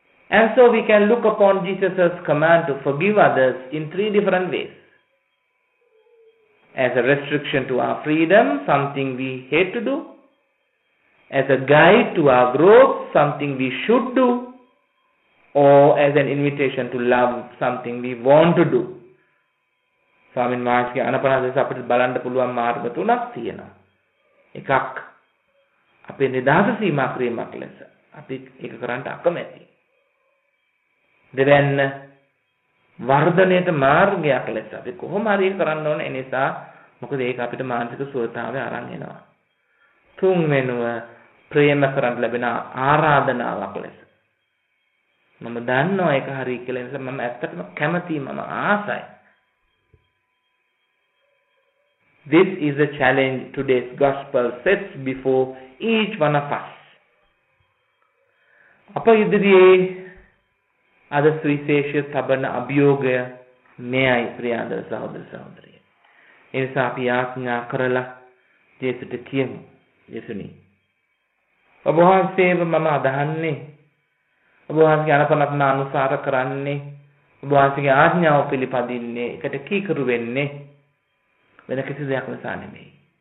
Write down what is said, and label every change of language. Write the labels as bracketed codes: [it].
[en] And so we can look upon Jesus' command to forgive others in three different ways. As a restriction to our freedom, something we hate to do. As a guide to our growth, something we should do. Or as an invitation to love, something we want to do. [si] ස්වාමීන් වහන්සේ අනපනදේශ අපිට බලන්න පුළුවන් මාර්ග තුනක් තියෙනවා. එකක් අපේ නිදහස සීමා ක්‍රියාවක් ලෙස අපි ඒක කරන්න අකමැති. දෙවැන්න වර්ධනයේ මාර්ගයක් ලෙස අපි කොහොම හරි කරන්න ඕන, ඒ නිසා මොකද ඒක අපිට මානසික සුවතාවය අරන් එනවා. තුන්වෙනුව ප්‍රේම කරන්න ලැබෙන ආරාධනාවක් ලෙස. මම දන්නවා ඒක හරි කියලා, ඒ නිසා මම ඇත්තටම කැමතියි, මම ආසයි. [en] This is a challenge today's gospel sets before each one of us. [si] අප ඉදිරියේ අද සුවිශේෂ තබන අභියෝගය මෙයයි ප්‍රියදර සහෝදර සහෝදරිය. ඒ නිසා අපි ආඥා කරලා ජේසුට කියමු. ජේසුනි, ඔබ වහන්සේව මම අදහන්නේ, ඔබ වහන්සේ අනපනත්න අනුසාර කරන්නේ, ඔබ වහන්සේගේ ආඥාව පිළිපදින්නේ, එකට කීකරු වෙන්නේ වෙන කිසි දෙයක් නිසා නෙමෙයි.